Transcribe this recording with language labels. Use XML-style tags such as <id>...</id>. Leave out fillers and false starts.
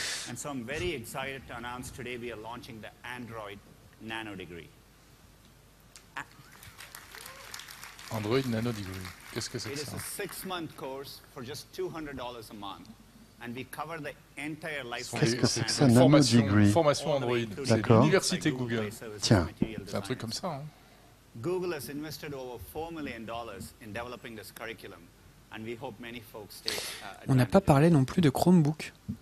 <en>And so I'm very excited to announce today we are launching the Android Nano Degree.</en> <fr>Android Nano Degree. Qu'est-ce que c'est que ça?</fr> <en>It is a 6-month course for just $200 a month and we cover the entire life cycle.</en> <fr>Qu'est-ce que c'est que ça, Nano Degree? Formation Android, d'accord. C'est l'université Google. Tiens, c'est un truc comme ça, hein.</fr> <en>Google has invested over $4 million in developing this curriculum, and we hope many folks take.</en> <fr>On n'a pas parlé non plus de Chromebook.</fr>